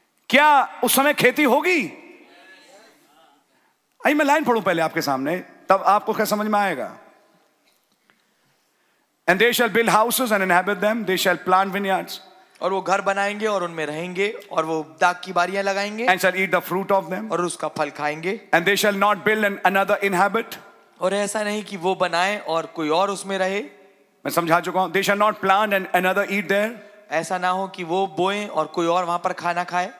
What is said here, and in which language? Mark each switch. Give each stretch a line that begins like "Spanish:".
Hindi: क्या उस समय खेती होगी? आई मैं लाइन पढ़ू पहले आपके सामने, तब आपको क्या समझ में आएगा.
English: and they shall build houses and inhabit them, they shall plant vineyards
Hindi: और वो घर बनाएंगे और उनमें रहेंगे और वो दाख की बारियां लगाएंगे.
English: And shall eat the fruit of them.
Hindi: और उसका फल खाएंगे.
English: And they shall not build another inhabit.
Hindi: और ऐसा नहीं कि वो बनाए और कोई और उसमें रहे. मैं समझा चुका हूं.
English: They shall not plant and another eat there.
Hindi: ऐसा ना हो कि वो बोए और कोई और वहां पर खाना खाए.